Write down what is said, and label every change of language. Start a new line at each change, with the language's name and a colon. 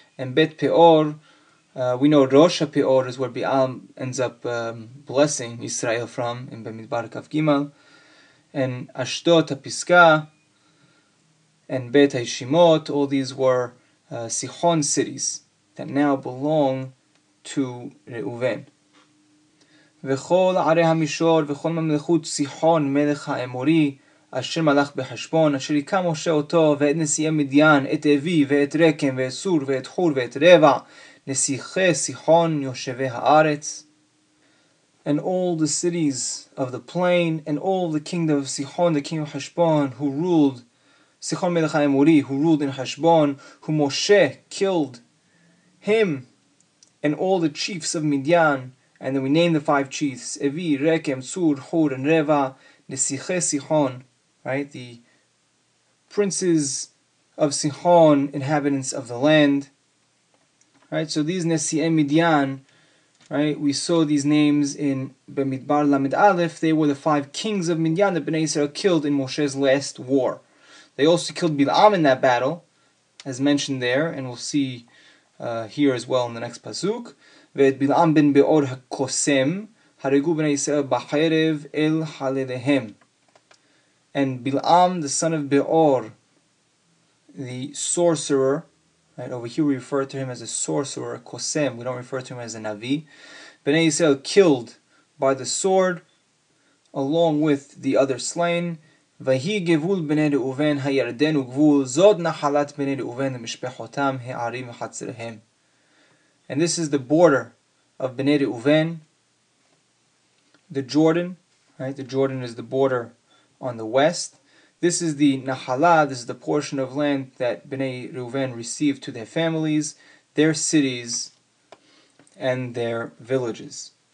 English: And Bet Peor, we know Rosh ha'Peor is where Bi'alm ends up blessing Israel from in Bemidbar Kaf Gimel. And Ashtot ha'piska and Bet ha'ishimot, all these were Sihon cities that now belong to Reuven.
Hebrew: וכול ערי המישור וכול ממלכות סיחון מלך האמורי אשר מלך בחשבון אשר יקם משה אותו ואת נשיאי מדיין את אבי ואת רקם ואת סור ואת חור ואת רבע נשיחי סיחון יושבי הארץ.
English: And all the cities of the plain and all the kingdom of Sihon, the king of Heshbon, who ruled Sihon
Hebrew: מלך האמורי,
English: who ruled in Heshbon, who Moshe killed him and all the chiefs of Midian. And then we name the five chiefs, Evi, Rekem, Tsur, Hur, and Reva,
Hebrew: Nesiche Sihon,
English: right? The princes of Sihon, inhabitants of the land. Right? So these
Hebrew: Nesi'e Midian,
English: right? We saw these names in Bemidbar Lamed Aleph. They were the five kings of Midian that Bnei Yisrael killed in Moshe's last war. They also killed Bil'am in that battle, as mentioned there, and we'll see here as well in the next Pasuk.
Hebrew: ואת בלעם בן באור הקוסם הרגו בני ישראל בחרב אל חלליהם.
English: And Bil'am, the son of Beor, the sorcerer, right? Over here we refer to him as a sorcerer, a kosem, we don't refer to him as a navi. Bnei Yisrael killed by the sword along with the other slain.
Hebrew: ויהי גבול בני ראובן הירדן וגבול זאת נחלת בני ראובן למשפחותם הערים וחצריהם.
English: And this is the border of Bnei Reuven, the Jordan, right? The Jordan is the border on the west. This is the Nahala, this is the portion of land that Bnei Reuven received to their families, their cities, and their villages.